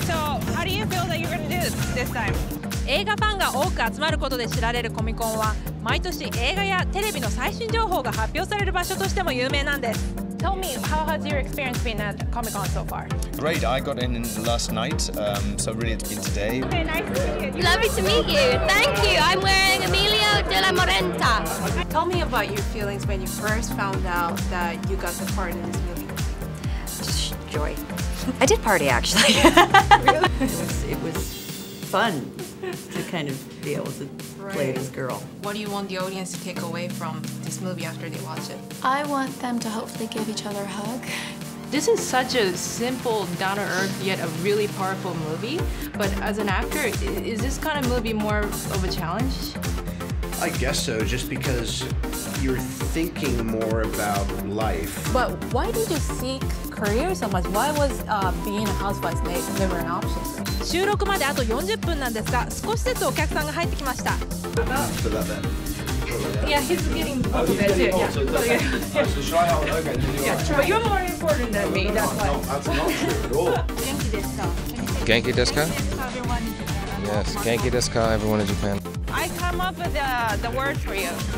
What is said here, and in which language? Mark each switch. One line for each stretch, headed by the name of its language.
English: So, how do you feel that you're going to do this time?
Japanese: 映画ファンが多く集まることで知られるコミコンは、毎年映画やテレビの最新情報が発表される場所としても有名なんです。
English: Tell me, how has your experience been at Comic-Con so far? Great, I got in last night, so really it's been today. Okay, nice to meet you. Lovely to meet you. Thank you. I'm wearing Emilio de la Morenta. Tell me about your feelings when you first found out that you got the part in this movie. Joy. I did party, actually. Really? It was fun to kind of be able to play this girl. What do you want the audience to take away from this movie after they watch it? I want them to hopefully give each other a hug. This is such a simple, down-to-earth, yet a really powerful movie. But as an actor, is this kind of movie more of a challenge? I guess so, just because you're thinking more about life. But why did you seek career so much? Why was being a housewife never an option?
Japanese: 収録まであと40分なんですが、少しずつお客さんが入ってきました。
English: Yeah, he's getting a little bit too. Yeah, you're more important than me, that's why.
Japanese: Genki desu ka?
English: Yes,
Japanese: genki desu ka,
English: everyone in Japan. I come up with the word for you.